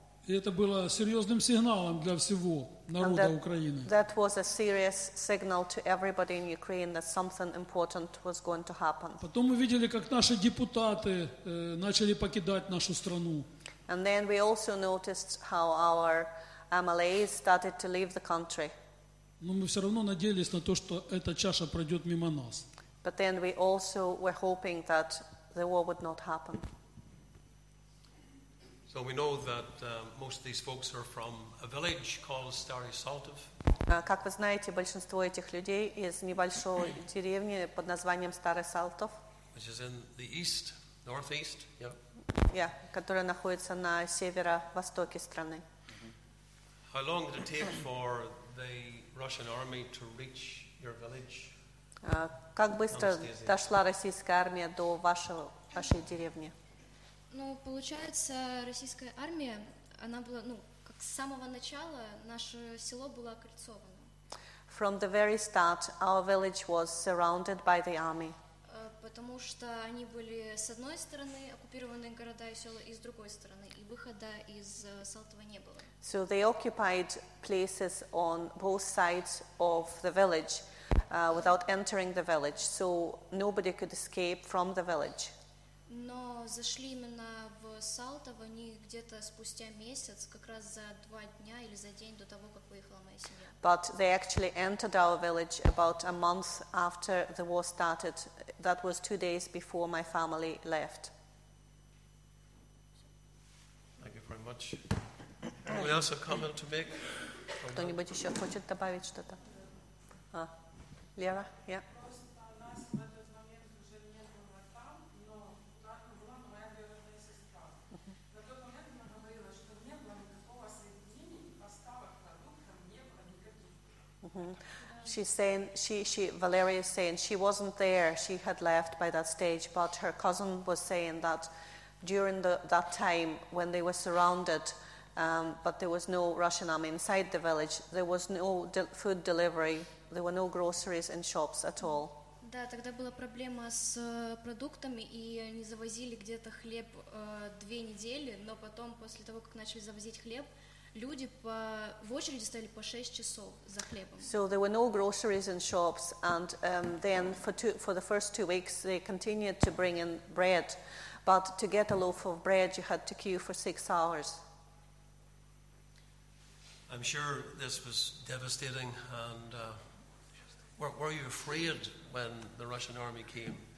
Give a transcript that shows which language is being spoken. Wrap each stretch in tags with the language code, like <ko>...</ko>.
<ru>И это было серьезным сигналом для всего народа Украины.</ru> <en>That was a serious signal to everybody in Ukraine that something important was going to happen.</en> <ru>Потом мы видели, как наши депутаты начали покидать нашу страну.</ru> <en>And then we also noticed how our MLAs started to leave the country.</en> <ru>Но мы все равно надеялись на то, что эта чаша пройдет мимо нас.</ru> <en>But then we also were hoping that the war would not happen. So we know that most of these folks are from a village called Stary Saltov.</en> <ru>Как вы знаете, большинство этих людей из небольшой деревни под названием Старый Салтов.</ru> <en>Which is in the east, northeast, yeah.</en> <ru>Yeah, которая находится на северо-востоке страны. Mm-hmm.</ru> <en>How long did it take for the Russian army to reach your village?</en> <ru>Как быстро дошла российская армия до вашей деревни? Ну, получается, российская армия, она была, ну, как с самого начала наше село было окольцовано.</ru> <en>From the very start, our village was surrounded by the army.</en> <ru>Потому что они были с одной стороны оккупированные города и села, и с другой стороны, и выхода из Салтова не было.</ru> <en>So they occupied places on both sides of the village without entering the village, so nobody could escape from the village.</en> <ru>Но зашли именно в Салтово они где-то спустя месяц, как раз за два дня или за день до того, как выехала моя семья.</ru> <en>But they actually entered our village about a month after the war started. That was 2 days before my family left. Thank you very much. Anyone else have a comment to make?</en> <ru>Кто-нибудь еще хочет добавить что-то?</ru> <en>Лера, yeah.</en> <ru>Просто Настя в этот момент уже не была там, но была моя двоюродная сестра. На тот момент она говорила, что не было никакого соединения.</ru> <en>She's saying, she Valeria is saying she wasn't there, she had left by that stage, but her cousin was saying that during that time when they were surrounded, but there was no Russian army inside the village, there was no food delivery, there were no groceries in shops at all.</en> <ru>Да, тогда была проблема с продуктами, и они завозили где-то хлеб две недели, но потом, после того, как начали завозить хлеб, люди в очереди стояли по 6 часов за хлебом.</ru> <en>So there were no groceries in shops, and then for the first 2 weeks they continued to bring in bread, but to get a loaf of bread you had to queue for 6 hours. I'm sure this was devastating, and were you afraid when the Russian army came?</en>